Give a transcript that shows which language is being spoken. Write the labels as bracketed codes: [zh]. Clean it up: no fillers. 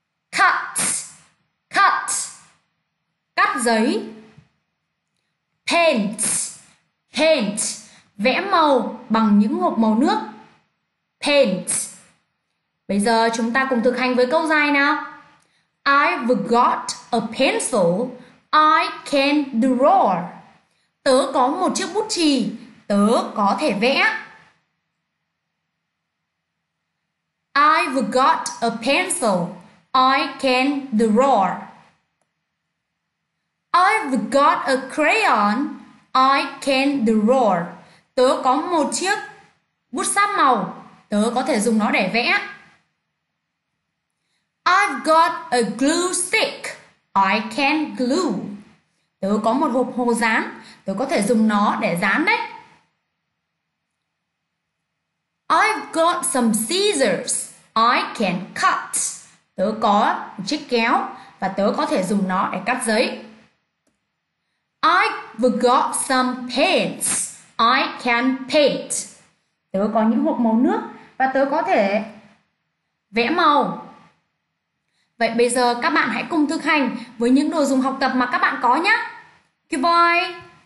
[en] Cut, cut, [vi] cắt giấy. Paint, paint, vẽ màu bằng những hộp màu nước. Paint. Bây giờ chúng ta cùng thực hành với câu dài nào. [en] I've got a pencil, I can draw. [vi] Tớ có một chiếc bút chì, tớ có thể vẽ. [en] I've got a pencil, I can draw. I've got a crayon, I can draw. [vi] Tớ có một chiếc bút sáp màu, tớ có thể dùng nó để vẽ. [en] I've got a glue stick, I can glue. [vi] Tớ có một hộp hồ dán, tớ có thể dùng nó để dán đấy. [en] I've got some scissors, I can cut. [vi] Tớ có một chiếc kéo và tớ có thể dùng nó để cắt giấy. [en] I've got some paints, I can paint. [vi] Tớ có những hộp màu nước và tớ có thể vẽ màu. Vậy bây giờ các bạn hãy cùng thực hành với những đồ dùng học tập mà các bạn có nhé. Goodbye!